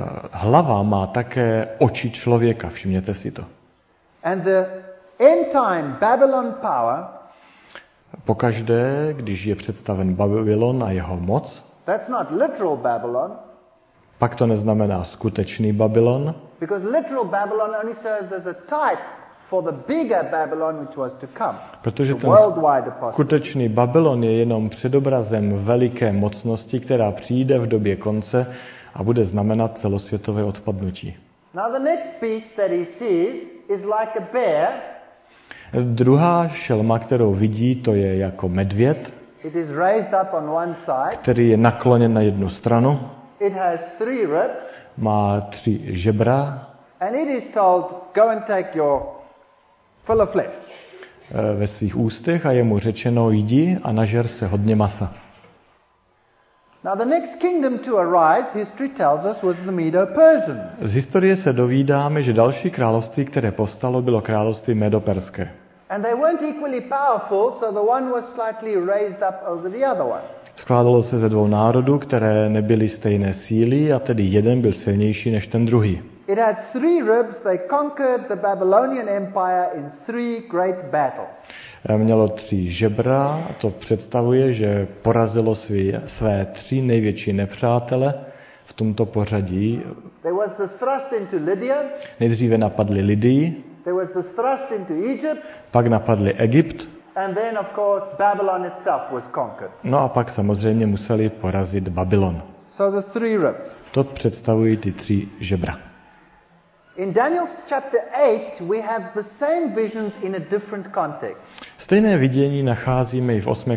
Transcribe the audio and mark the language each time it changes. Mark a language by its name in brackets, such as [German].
[Czech] Hlava má také oči člověka, všimněte si to. [English] And the end time Babylon power. [Czech] Pokaždé, když je představen Babylon a jeho moc, [English] that's not literal Babylon, [Czech] pak to neznamená skutečný Babylon, [English] because literal Babylon only serves as a type for the bigger Babylon which was to come. [Czech] Protože ten skutečný Babylon je jenom předobrazem veliké mocnosti, která přijde v době konce a bude znamenat celosvětové odpadnutí. [English] Now the next beast that he sees is like a bear. [Czech] Druhá šelma, kterou vidí, to je jako medvěd, [English] it is raised up on one side, [Czech] který je nakloněn na jednu stranu. [English] It has three ribs, [Czech] má tři žebra. [English] And it is told, go and take your full of flesh. [Czech] Ve svých ústech a je mu řečeno, jdi a nažer se hodně masa. [English] Now the next kingdom to arise, history tells us, was the Medo-Persians. [Czech] Z historie se dovídáme, že další království, které povstalo, bylo království Medo-Perské. [English] And they weren't equally powerful, so the one was slightly raised up over the other one. [Czech] Skládalo se ze dvou národů, které nebyly stejné síly, a tedy jeden byl silnější než ten druhý. [English] It had three ribs, they conquered the Babylonian Empire in three great battles. [Czech] Mělo tři žebra, a to představuje, že porazilo své tři největší nepřátele v tomto pořadí. [English] There was the thrust into Lydia. [Czech] Nejdříve napadli Lidii. [English] There was the thrust into Egypt. [Czech] Pak napadli Egypt. [English] And then of course Babylon itself was conquered. [Czech] No a pak samozřejmě museli porazit Babylon. [English] So the three ribs. [Czech] To představují ty tři žebra. [English] In Daniel's chapter 8 we have the same visions in a different context. [Czech] Stejné vidění nacházíme i v 8.